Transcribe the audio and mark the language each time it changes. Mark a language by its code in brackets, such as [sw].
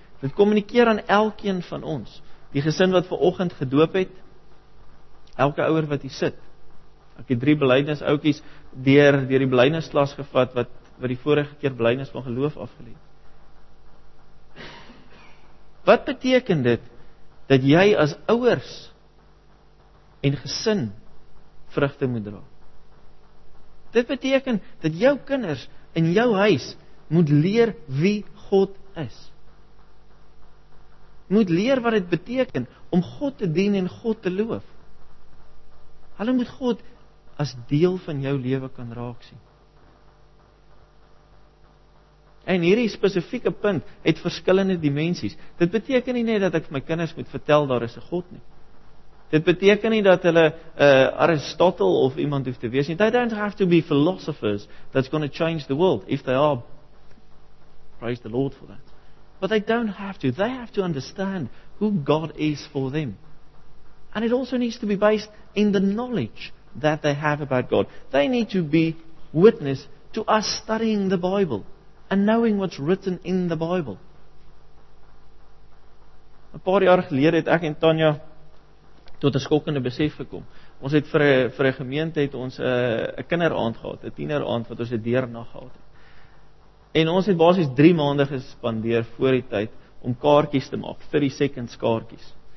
[af] Dit kommunikeer aan elkeen van ons. Die gesin wat vanoggend gedoop het, elke ouer wat hier sit. Ek het 3 belydenis ouetjies deur die belydenisklas gevat wat die vorige keer belydenis van geloof afgelê het. Wat beteken dit dat jy as ouers en gesin vrugte moet dra? Dit beteken dat jou kinders in jou huis moet leer wie God is. Moet leer wat dit beteken om God te dien en God te loof. Hulle moet God as deel van jou lewe kan raak sien. En hierdie spesifieke punt het verskillende dimensies. Dit beteken nie net dat ek my kinders moet vertel daar is 'n God nie. Dit beteken nie dat hulle Aristotle of iemand hoef te wees nie. [en] They don't have to be philosophers that's going to change the world. If they are, praise the Lord for that. But they don't have to. They have to understand who God is for them. And it also needs to be based in the knowledge that they have about God. They need to be witness to us studying the Bible and knowing what's written in the Bible. [af] 'N paar jaar gelede het ek en Tanya tot 'n skokkende besef gekom. Ons het vir 'n gemeente het ons 'n kinderaand gehad, 'n tieneraand wat ons 'n deernag gehad het. En ons het basies 3 maande gespandeer voor die tyd om kaartjies te maak, 30 seconds kaartjies.